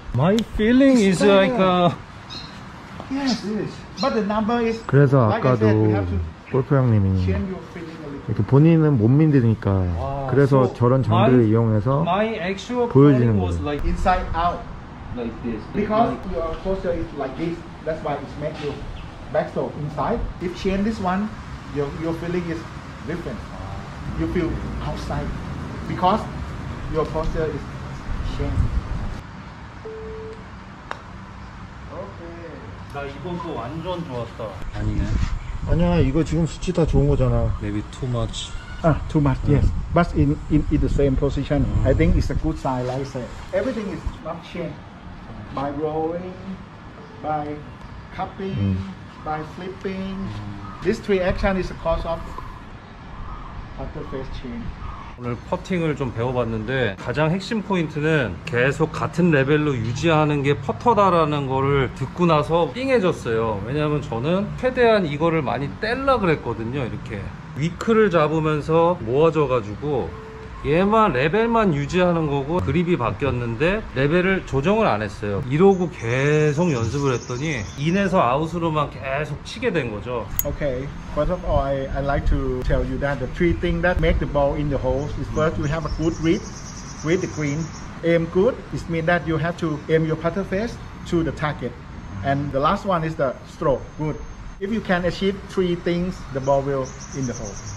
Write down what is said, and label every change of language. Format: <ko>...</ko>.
<en>My feeling is like a. Yes. But the number is.</en> <ko>그래서 아까도 골프 형님이 이렇게 본인은 못 믿으니까 그래서</ko> <en>so</en> <ko>저런 장비를 이용해서 보여주는 거예요.</ko> <en>Like inside out like this. Because like your posture is like this. That's why it's make you back so inside. If change this one, your feeling is different. You feel outside because your posture is changed.</en> <ko>나 이번 거 완전 좋았다. 아니네. 아니야, 이거 지금 수치 다 좋은 거잖아.</ko> <en>Maybe too much. 아, too much. Yes. But in the same position. I think it's a good sign, like I said. Everything is not changed. By rolling, by cupping, by flipping. These three action is a cause of after face change.</en> <ko>오늘 퍼팅을 좀 배워봤는데 가장 핵심 포인트는 계속 같은 레벨로 유지하는 게 퍼터다라는 거를 듣고 나서 띵해졌어요. 왜냐하면 저는 최대한 이거를 많이 뗄라 그랬거든요. 이렇게 위클을 잡으면서 모아져가지고 얘만 레벨만 유지하는 거고 그립이 바뀌었는데 레벨을 조정을 안 했어요. 이러고 계속 연습을 했더니 인에서 아웃으로만 계속 치게 된 거죠.</ko> <en>Okay. First of all, I like to tell you that the three things that make the ball in the holes is first you have a good grip with the green. Aim good is mean that you have to aim your putter face to the target. And the last one is the stroke. Good. If you can achieve three things, the ball will in the hole.</en>